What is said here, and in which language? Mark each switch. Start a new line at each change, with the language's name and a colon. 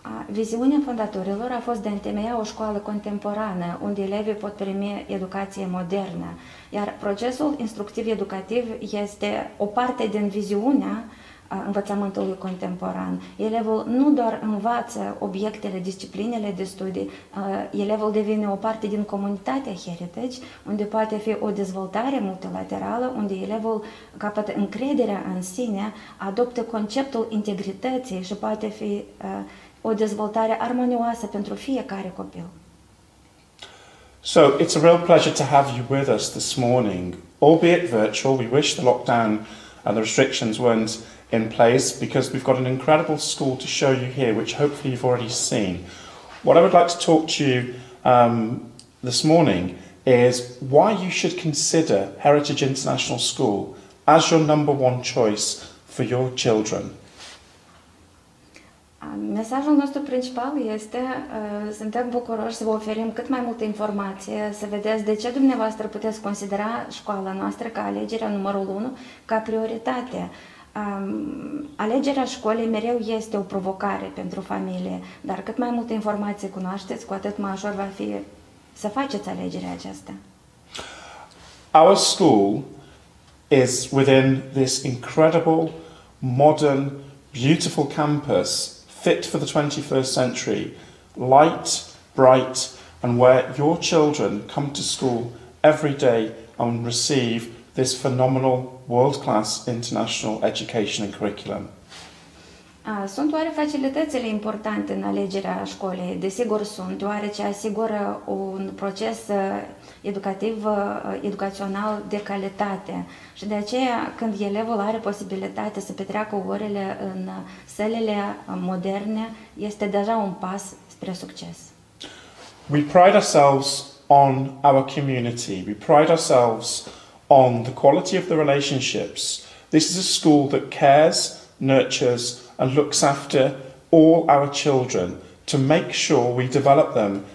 Romanian: Viziunea fondatorilor a fost de a întemeia o școală contemporană unde elevii pot primi educație modernă, iar procesul instructiv-educativ este o parte din viziunea învățământului contemporan. Elevul nu doar învață obiectele, disciplinele de studii, elevul devine o parte din comunitatea Heritage, unde poate fi o dezvoltare multilaterală, unde elevul capătă încrederea în sine, adoptă conceptul integrității și poate fi o dezvoltare armonioasă pentru fiecare copil.
English: So, it's a real pleasure to have you with us this morning. Albeit virtual, we wish the lockdown and the restrictions weren't in place, because we've got an incredible school to show you here, which hopefully you've already seen. What I would like to talk to you this morning is why you should consider Heritage International School as your number one choice for your children.
Romanian: Mesajul nostru principal este, suntem bucuroși să vă oferim cât mai multe informații, să vedeți de ce dumneavoastră puteți considera școala noastră ca alegerea numărul 1, ca prioritate. Alegerea școlii mereu este o provocare pentru familie, dar cât mai multe informații cunoașteți, cu atât mai ușor va fi să faceți alegerea aceasta.
English: Our school is within this incredible, modern, beautiful campus, fit for the 21st century, light, bright, and where your children come to school every day and receive this phenomenal, world-class international education and curriculum.
Romanian: Sunt oare facilitățile importante în alegerea școlii? Desigur sunt, deoarece asigură un proces educativ, educațional de calitate. Și de aceea, când elevul are posibilitatea să petreacă orele în sălile moderne, este deja un pas spre succes.
English: We pride ourselves on our community. We pride ourselves on the quality of the relationships. This is a school that cares, nurtures, and looks after all our children to make sure we develop them